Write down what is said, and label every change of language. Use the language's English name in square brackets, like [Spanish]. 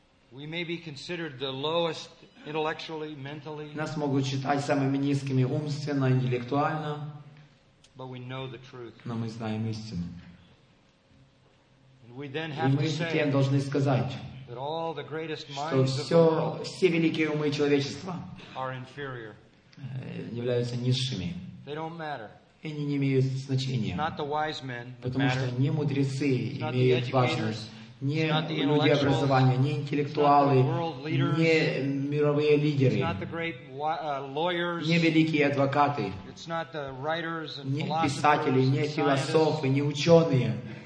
[English] We may be considered the lowest intellectually, mentally. [Russian] Нас могут считать самыми низкими умственно, интеллектуально. [English] But we know the truth. [Russian] Но мы знаем истину. [English] And we then have to say. [Russian] И мы затем должны сказать, [English] that all the greatest minds of the world. [Russian] Что все великие умы человечества [English] are inferior. [Russian] Являются низшими. [English] They don't matter. [Russian] И они не имеют значения. [English] Not the wise men. [Russian] Потому что не мудрецы имеют важность. Не люди образования, не интеллектуалы, не мировые лидеры, не великие адвокаты, не писатели, не философы, не ученые.